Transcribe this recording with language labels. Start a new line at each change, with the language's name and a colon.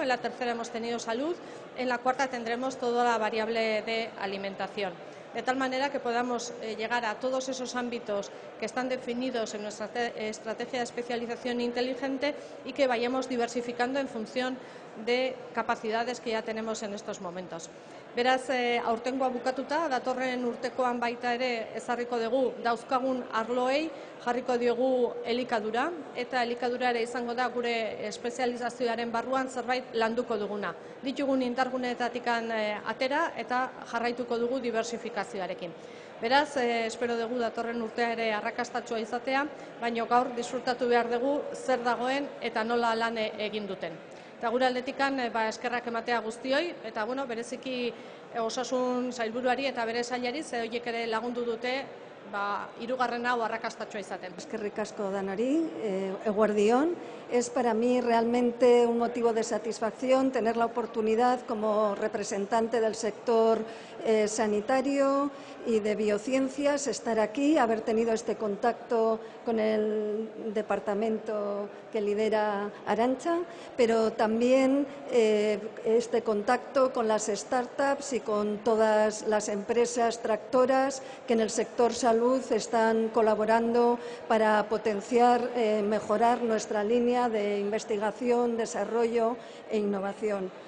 Spanish: En la tercera hemos tenido salud, en la cuarta tendremos toda la variable de alimentación. De tal manera que podamos llegar a todos esos ámbitos que están definidos en nuestra estrategia de especialización inteligente y que vayamos diversificando en función de capacidades que ya tenemos en estos momentos.
Basque: Beraz, aurtengoa bukatuta, datorren urtekoan baita ere ezarriko dugu dauzkagun arloei jarriko diogu elikadura, eta elikadura ere izango da gure espezializazioaren barruan zerbait landuko duguna. Ditugun indarguneetatikan atera eta jarraituko dugu diversifikazioarekin. Beraz, espero dugu datorren urtea ere arrakastatsua izatea, baina gaur disfrutatu behar dugu zer dagoen eta nola lan egin duten. Eta gure aldetikan ba, eskerrak ematea guztioi, eta bueno, bereziki osasun sailburuari eta bere sailari, ze horiek ere lagundu dute ba, irugarren hau arrakastatxoa izaten. Eskerrik asko danari, eguerdion.
Spanish: Es para mí realmente un motivo de satisfacción tener la oportunidad como representante del sector sanitario y de biociencias estar aquí, haber tenido este contacto con el departamento que lidera Arantxa, pero también este contacto con las startups y con todas las empresas tractoras que en el sector salud están colaborando para potenciar, mejorar nuestra línea de investigación, desarrollo e innovación.